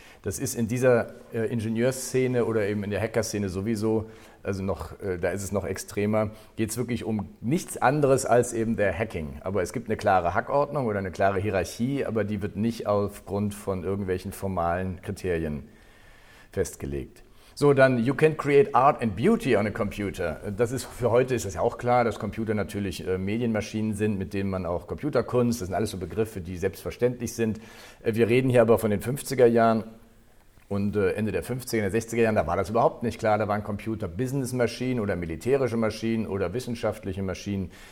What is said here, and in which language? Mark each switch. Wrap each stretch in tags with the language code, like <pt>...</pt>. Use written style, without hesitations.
<de>Das ist in dieser Ingenieursszene oder eben in der Hackerszene sowieso, also noch, da ist es noch extremer, geht es wirklich um nichts anderes als eben der Hacking. Aber es gibt eine klare Hackordnung oder eine klare Hierarchie, aber die wird nicht aufgrund von irgendwelchen formalen Kriterien festgelegt. So, dann,</de> <en>you can create art and beauty on a computer.</en> <de>Das ist, für heute ist das ja auch klar, dass Computer natürlich Medienmaschinen sind, mit denen man auch Computerkunst, das sind alles so Begriffe, die selbstverständlich sind. Wir reden hier aber von den 50er Jahren und Ende der 50er, der 60er Jahren, da war das überhaupt nicht klar. Da waren Computer Businessmaschinen oder militärische Maschinen oder wissenschaftliche Maschinen.</de>